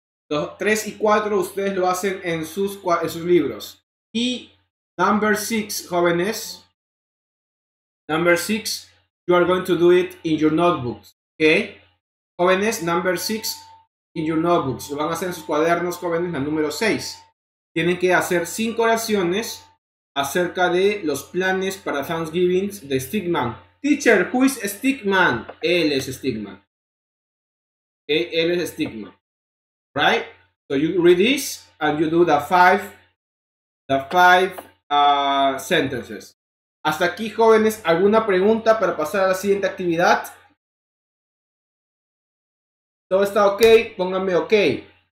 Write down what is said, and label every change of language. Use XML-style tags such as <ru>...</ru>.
<es>Los 3 y 4 ustedes lo hacen en sus libros. Y</es> <en>number 6,</en> <es>jóvenes.</es> <en>Number 6, you are going to do it in your notebooks. Okay? Jóvenes, number 6 in your notebooks.</en> <es>Lo van a hacer en sus cuadernos, jóvenes, la número 6. Tienen que hacer 5 oraciones acerca de los planes para Thanksgiving de Stickman.</es> <en>Teacher, who is Stickman?</en> <es>Él es Stickman.</es> <en>Okay,</en> <es>él es Stickman.</es> <en>Right? So you read this and you do the five sentences.</en> <es>Hasta aquí, jóvenes, ¿alguna pregunta para pasar a la siguiente actividad? ¿Todo está ok? Pónganme ok.</es>